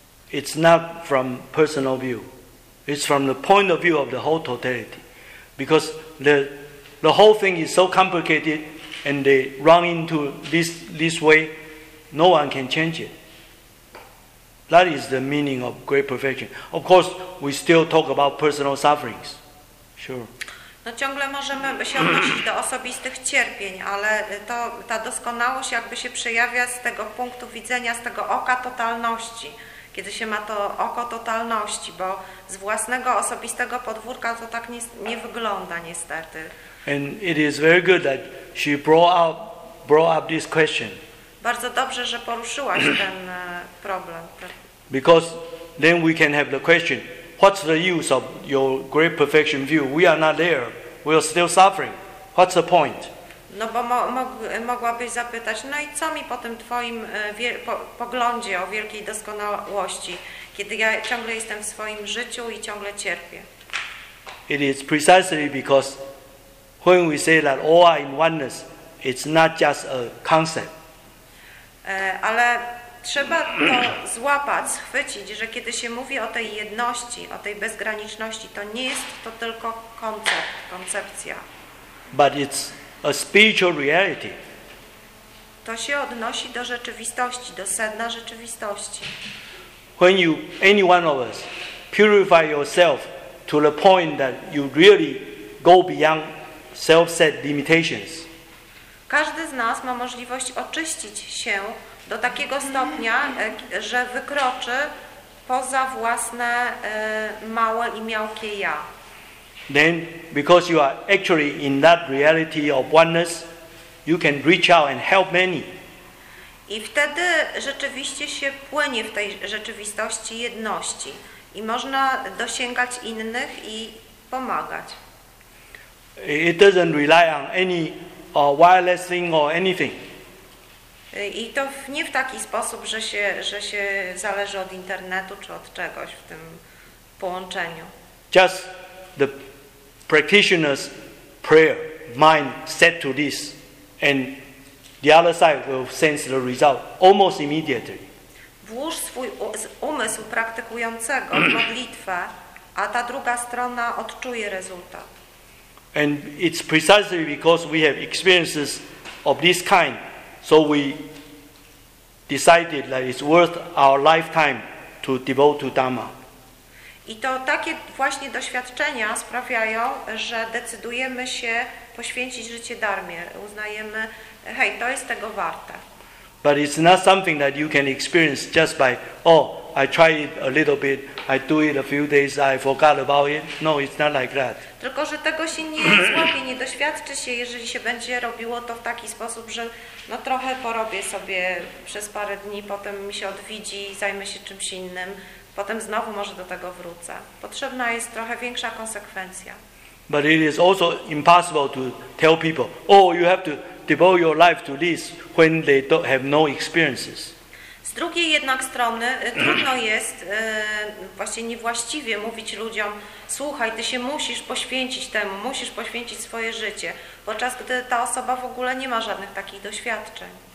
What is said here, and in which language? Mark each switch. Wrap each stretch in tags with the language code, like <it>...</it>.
<en>It's not from personal view. It's from the point of view of the whole totality. Because the whole thing is so complicated and they run into this way, no one can change it. That is the meaning of great perfection. Of course, we still talk about personal sufferings. Sure.</en> <pl>No ciągle możemy się odnosić do osobistych cierpień, ale to ta doskonałość jakby się przejawia z tego punktu widzenia, z tego oka totalności. Kiedy się ma to oko totalności, bo z własnego osobistego podwórka to tak nie wygląda niestety.</pl> <en>And it is very good that she brought up this question.</en> <pl>Bardzo dobrze, że poruszyłaś ten problem.</pl> <en>Because then we can have the question, what's the use of your great perfection view? We are not there. We are still suffering. What's the point?</en> <pl>No bo mogłabyś zapytać, no i co mi po tym twoim poglądzie o wielkiej doskonałości, kiedy ja ciągle jestem w swoim życiu i ciągle cierpię.</pl> <en>It is precisely because when we say that all are in oneness, it's not just a concept.</en> <pl>Ale trzeba to złapać, schwycić, że kiedy się mówi o tej jedności, o tej bezgraniczności, to nie jest to tylko koncept, koncepcja.</pl> <en>But it's a spiritual reality.</en> <pl>To się odnosi do rzeczywistości, do sedna rzeczywistości.</pl> <en>When you, any one of us, purify yourself to the point that you really go beyond self-set limitations.</en> <pl>Każdy z nas ma możliwość oczyścić się do takiego stopnia, że wykroczy poza własne małe i miałkie ja.</pl> <en>Then, because you are actually in that reality of oneness, you can reach out and help many.</en> <pl>I wtedy rzeczywiście się płynie w tej rzeczywistości jedności i można dosięgać innych i pomagać.</pl> <en>It doesn't rely on any wireless thing or anything.</en> <pl>I to nie w taki sposób, że się zależy od internetu czy od czegoś w tym połączeniu.</pl> <en>Just the practitioner's prayer, mind set to this, and the other side will sense the result almost immediately.</en> <pl>Włóż swój umysł praktykującego w modlitwę, a ta druga strona odczuje rezultat.</pl> <en>And it's precisely because we have experiences of this kind, so we decided that it's worth our lifetime to devote to Dhamma.</en> <pl>I to takie właśnie doświadczenia sprawiają, że decydujemy się poświęcić życie darmie. Uznajemy, hej, to jest tego warte.</pl> <en>But it's not something that you can experience just by, oh, I try it a little bit, I do it a few days, I forgot about it. No, it's not like that.</en> <pl>Tylko, że tego się nie złapie, nie doświadczy się, jeżeli się będzie robiło to w taki sposób, że no trochę porobię sobie przez parę dni, potem mi się odwidzi i zajmę się czymś innym. Potem znowu może do tego wrócę. Potrzebna jest trochę większa konsekwencja.</pl> <en>But it is also impossible to tell people, oh, you have to devote your life to this when they don't have no experiences.</en> <pl>Z drugiej jednak strony trudno jest właśnie niewłaściwie mówić ludziom, słuchaj, ty się musisz poświęcić temu, musisz poświęcić swoje życie, podczas gdy ta osoba w ogóle nie ma żadnych takich doświadczeń.</pl>